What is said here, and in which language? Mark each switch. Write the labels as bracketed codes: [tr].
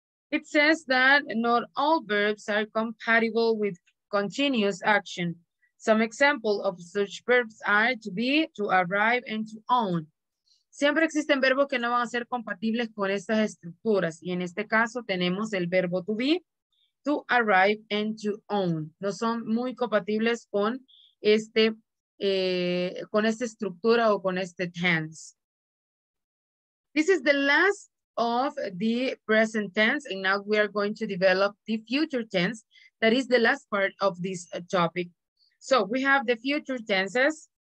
[en] It says that not all verbs are compatible with continuous action. Some examples of such verbs are to be, to arrive, and to own. [es] Siempre existen verbos que no van a ser compatibles con estas estructuras. Y en este caso tenemos el verbo [en] to be, to arrive, and to own. [es] No son muy compatibles con este, con esta estructura o con este tense. [en] This is the last of the present tense, and now we are going to develop the future tense. That is the last part of this topic. So we have the future tenses.